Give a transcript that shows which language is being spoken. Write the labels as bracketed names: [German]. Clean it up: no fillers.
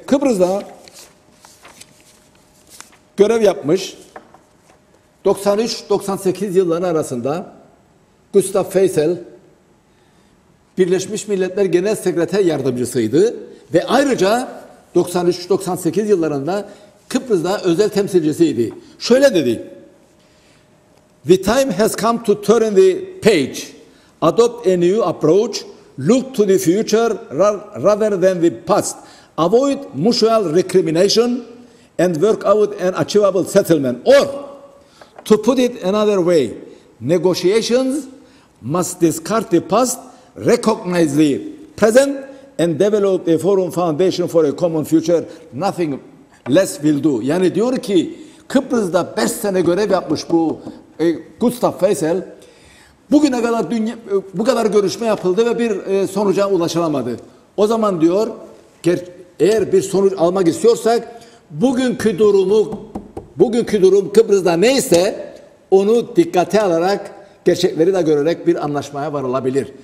[Turkish] Kıbrıs'ta görev yapmış 93-98 yılların arasında Gustav Feysel Birleşmiş Milletler Genel Sekreter Yardımcısıydı ve ayrıca 93-98 yıllarında Kıbrıs'ta özel temsilcisiydi. Şöyle dedi. [English] The time has come to turn the page. Adopt a new approach. Look to the future rather than the past. Avoid mutual recrimination and work out an achievable settlement. Or, to put it another way, negotiations must discard the past, recognize the present, and develop a forum foundation for a common future. Nothing less will do. [Turkish] Yani diyor ki, Kıbrıs'ta 5 sene görev yapmış bu Gustav Feysel, bugüne kadar bu kadar görüşme yapıldı ve bir sonuca ulaşılamadı. O zaman diyor, eğer bir sonuç almak istiyorsak, bugünkü durum Kıbrıs'ta neyse, onu dikkate alarak, gerçekleri de görerek bir anlaşmaya varılabilir.